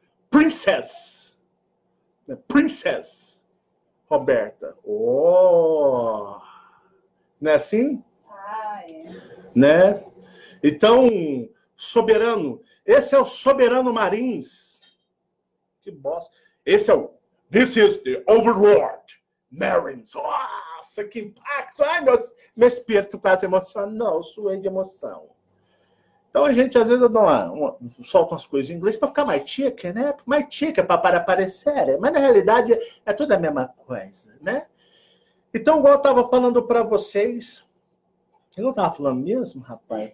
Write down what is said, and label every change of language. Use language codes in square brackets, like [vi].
[en] Princess. Princess Roberta. [pt] Oh! Não é assim? Ah, é. Né? Então, soberano. Esse é o soberano Marins. Que bosta. Esse é o... [en] This is the Overlord Marins. [pt] Nossa, que impacto. Ai, meu espírito quase emocionou. Suei de emoção. Então, a gente, às vezes, solta umas coisas em inglês para ficar mais chique, né? Mais chique, para aparecer. Mas, na realidade, é tudo a mesma coisa, né? Então, igual eu estava falando para vocês... Eu não estava falando mesmo, rapaz?